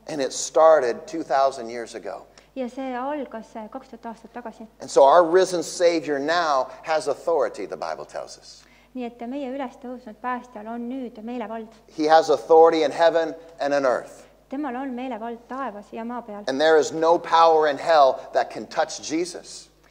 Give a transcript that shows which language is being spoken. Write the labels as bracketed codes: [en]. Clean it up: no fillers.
[en] And it started 2,000 years ago. [et] Ja see algas 2000 aastat tagasi. [en] And so our risen Savior now has authority, the Bible tells us. [et] Nii et meie ülestõusnud päästjal on nüüd meelevald. [en] He has authority in heaven and on earth. [et] Temal on meelevald taevas ja maa peal. [en] And there is no power in hell that can touch Jesus.